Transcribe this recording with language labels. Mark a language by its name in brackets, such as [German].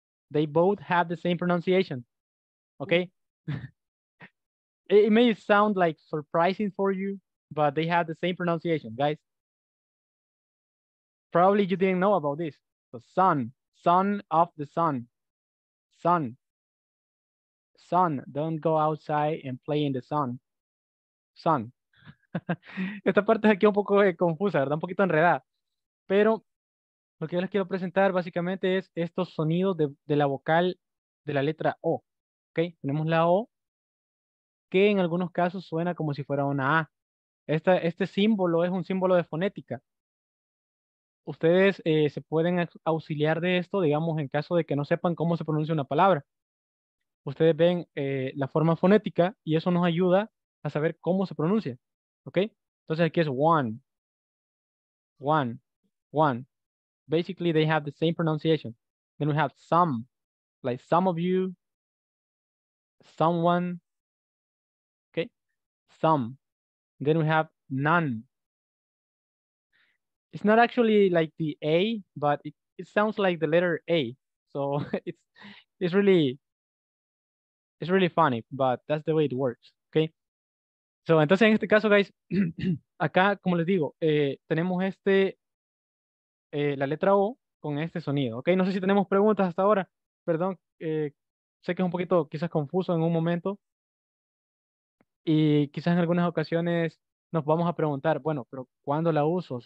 [English] They both have the same pronunciation. Okay, it may sound like surprising for you, but they have the same pronunciation, guys. Probably you didn't know about this. The sun, son of the sun, sun, son, don't go outside and play in the sun, sun. [Spanish] Esta parte aquí un poco confusa, ¿verdad? Un poquito enredada, pero lo que yo les quiero presentar básicamente es estos sonidos de la vocal de la letra O. Okay, tenemos la O, que en algunos casos suena como si fuera una A. Este símbolo es un símbolo de fonética. Ustedes se pueden auxiliar de esto, digamos, en caso de que no sepan cómo se pronuncia una palabra. Ustedes ven la forma fonética y eso nos ayuda a saber cómo se pronuncia. Okay? Entonces aquí es one. One. One. [English] Basically, they have the same pronunciation. Then we have some. Like some of you. Someone, okay, some. Then we have none. It's not actually like the A, but it sounds like the letter A. So it's really funny, but that's the way it works, okay? [Spanish] So entonces en este caso, guys, acá, como les digo, tenemos la letra O con este sonido, okay? No sé si tenemos preguntas hasta ahora, perdón, sé que es un poquito quizás confuso en un momento y quizás en algunas ocasiones nos vamos a preguntar, bueno, pero ¿cuándo la uso?